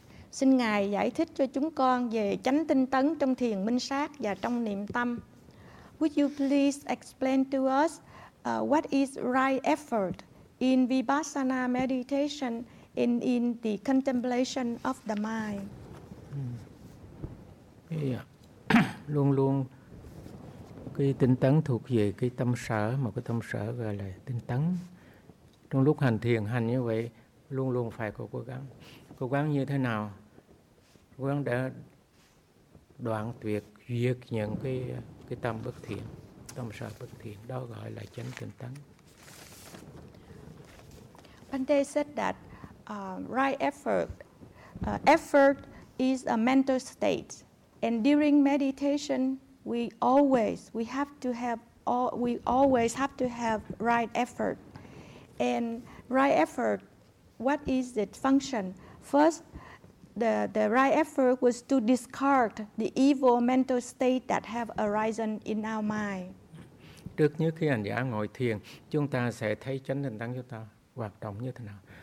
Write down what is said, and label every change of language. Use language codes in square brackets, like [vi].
[vi] Xin Ngài giải thích cho chúng con về chánh tinh tấn trong thiền minh sát và trong niệm tâm. [en] Would you please explain to us what is right effort in Vipassana meditation and in the contemplation of the mind? [vi] Luôn luôn cái tinh tấn thuộc về cái tâm sở, mà cái tâm sở gọi là tinh tấn. Trong lúc hành thiền hành như vậy, luôn luôn phải có cố gắng. Cố gắng như thế nào? Cố gắng để đoạn tuyệt, diệt những cái tâm bất thiện, tâm sở bất thiện. Đó gọi là chánh tinh tấn. [en] Bhante said that right effort, effort is a mental state. And during meditation, we always have to have right effort. And right effort, what is its function? First, the right effort was to discard the evil mental state that have arisen in our mind. [vi] Trước nhất khi hành giả ngồi thiền, chúng ta sẽ thấy chánh tinh tấn chúng ta hoạt động như thế nào.